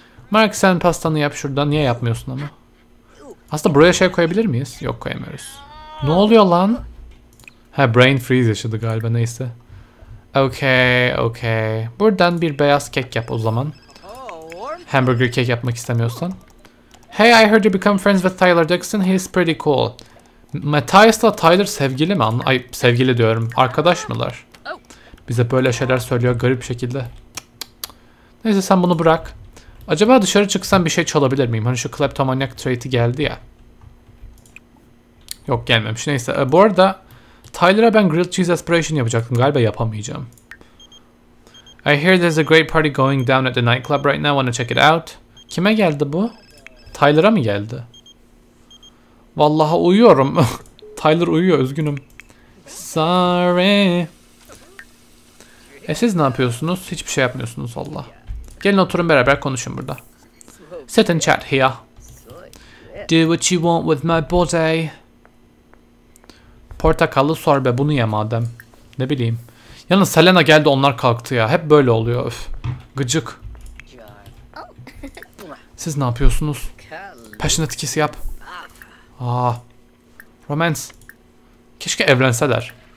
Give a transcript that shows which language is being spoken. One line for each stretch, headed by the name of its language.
Turkish: Mark sen pastanı yap şuradan niye yapmıyorsun ama? Aslında buraya şey koyabilir miyiz? Yok koyamıyoruz. Ne oluyor lan? Ha brain freeze yaşadı galiba neyse. Okay. Buradan bir beyaz kek yap o zaman. Hamburger kek yapmak istemiyorsan.
English: Hey, I heard you become friends with Tyler Dixon. He's pretty cool.
Turkish: Matthias'la Tyler sevgili mi? Ay, sevgili diyorum. Arkadaş mılar? Bize böyle şeyler söylüyor garip şekilde. Neyse sen bunu bırak. Acaba dışarı çıksam bir şey çalabilir miyim? Hani şu kleptomaniac trait'i geldi ya. Yok gelmemiş. Neyse. Bu arada Tyler'a ben grilled cheese aspiration yapacaktım. Galiba yapamayacağım.
English: I hear there's a great party going down at the nightclub right now. Wanna check it out?
Turkish: Kime geldi bu? Tyler'a mı geldi? Vallahi uyuyorum. Tyler uyuyor, üzgünüm. Sorry. Siz ne yapıyorsunuz? Hiçbir şey yapmıyorsunuz valla. Gelin oturun beraber konuşun burada.
English: Sit and chat here. Do what you want with my body.
Turkish: Portakallı sorbe, bunu ye madem. Ne bileyim. Yalnız Selena geldi, onlar kalktı ya. Hep böyle oluyor. Öf. Gıcık. Siz ne yapıyorsunuz? Passionate etkisi yap. Aa. Romance. Keşke evlenseler.